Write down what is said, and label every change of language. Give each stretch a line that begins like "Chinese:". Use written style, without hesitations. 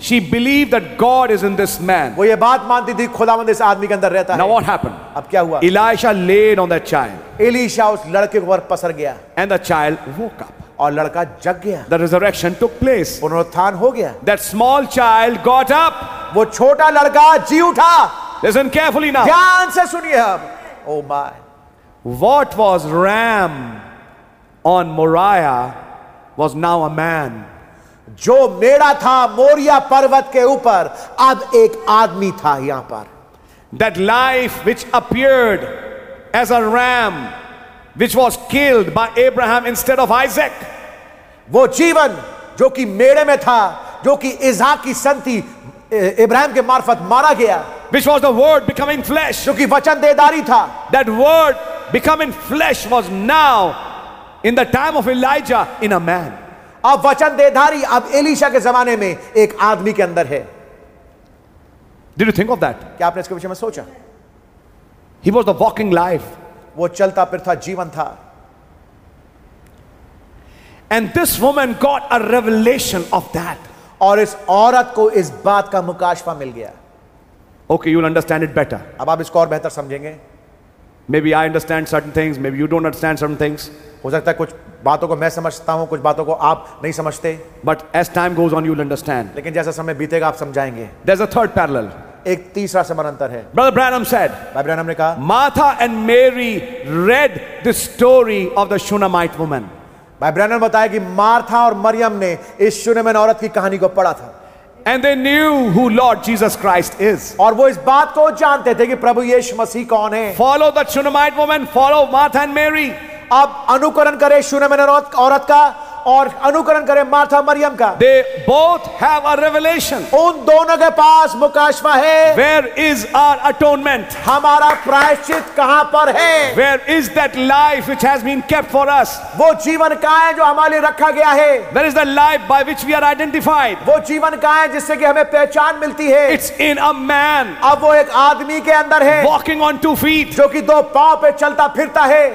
English: She believed that God is in this man.
Hindi: वो ये बात मानती थी खुदावंद इस आदमी के अंदर रहता है.
English: Now what happened?
Hindi: अब क्या हुआ?
English: Elisha laid on that child.
Hindi: Elisha उस लड़के पर पसर गया.
English: And the child woke up.
Hindi: और लड़का जग गया.
English: The resurrection took place.
Hindi: पुनरुत्थान हो गया.
English: That small child got up.
Hindi: वो छोटा लड़का जी उठा.
English: Listen carefully now.
Hindi: ध्यान से सुनिए अब.
English: Oh my. What was ram on Moriah was now a man.
Hindi: जो मेड़ा था मोरिया पर्वत के ऊपर अब एक आदमी था यहां पर.
English: That life which appeared as a ram. Which was killed by Abraham instead of Isaac.
Hindi: वो जीवन जो कि मेड़े में था जो कि इज़ाक की संति इब्राहिम के मार्फत मारा गया.
English: Which was the word becoming flesh.
Hindi: जो कि वचन देदारी था.
English: That word becoming flesh was now in the time of Elijah in a man.
Hindi: अब वचन देदारी अब एलिशा के जमाने में एक आदमी के अंदर है.
English: Did you think of that?
Hindi: क्या आपने इसके विषय में सोचा?
English: He was the walking life.
Hindi: वो चलता फिर था जीवन था
English: and this woman got a revelation of that
Hindi: और इस औरत को इस बात का मुकाशवा मिल गया
English: okay you will understand it better
Hindi: अब आप इसको और बेहतर समझेंगे
English: maybe I understand certain things maybe you don't understand certain things
Hindi: हो सकता है कुछ बातों को मैं समझता हूं कुछ बातों को आप नहीं समझते
English: but as time goes on you will understand
Hindi: लेकिन जैसा समय बीतेगा आप समझाएंगे
English: there is a third parallel
Hindi: एक तीसरा समानांतर है.
English: Brother Branham said,
Hindi: भाई ब्रैनम ने कहा,
English: Martha and Mary read the story of the Shunammite woman.
Hindi: भाई ब्रैनम बताया कि मार्था और मरियम ने इस शूनेमैन औरत की कहानी को पढ़ा था.
English: And they knew who Lord Jesus Christ is.
Hindi: और वो इस बात को जानते थे कि प्रभु यीशु मसीह कौन है.
English: Follow the Shunammite woman, follow Martha and Mary.
Hindi: अब अनुकरण करें शूनेमैन औरत का और अनुकरण करें मार्था मरियम का.
English: They both have a revelation.
Hindi: उन दोनों के पास मुकाशवा है.
English: Where is our atonement?
Hindi: हमारा प्रायश्चित कहां पर है?
English: Where is that life which has been kept for us?
Hindi: वो जीवन कहां है जो हमारे लिए रखा गया है?
English: Where is the life by which we are identified?
Hindi: वो जीवन कहां है जिससे कि हमें पहचान मिलती है?
English: It's in a man.
Hindi: अब वो एक आदमी के अंदर है.
English: Walking on two feet.
Hindi: जो कि दो पांव पे चलता फिरता है.